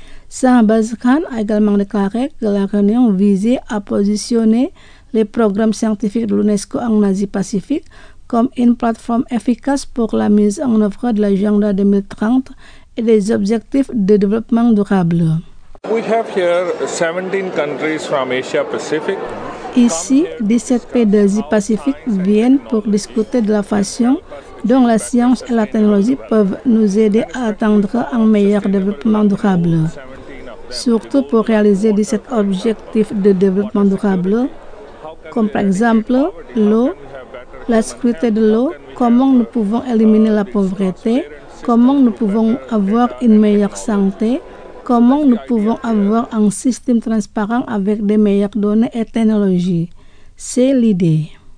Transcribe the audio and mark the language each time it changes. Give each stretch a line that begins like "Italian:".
French: Shahbaz Khan a également déclaré que la réunion visait à positionner les programmes scientifiques de l'UNESCO en Asie-Pacifique comme une plateforme efficace pour la mise en œuvre de l'agenda 2030 et des objectifs de développement durable.
English: We have here 17 countries from Asia-Pacific.
French: Ici, 17 pays d'Asie-Pacifique viennent pour discuter de la façon dont la science et la technologie peuvent nous aider à atteindre un meilleur développement durable. Surtout pour réaliser 17 objectifs de développement durable, comme par exemple l'eau, la sécurité de l'eau, comment nous pouvons éliminer la pauvreté, comment nous pouvons avoir une meilleure santé, comment nous pouvons avoir un système transparent avec des meilleures données et technologies. C'est l'idée.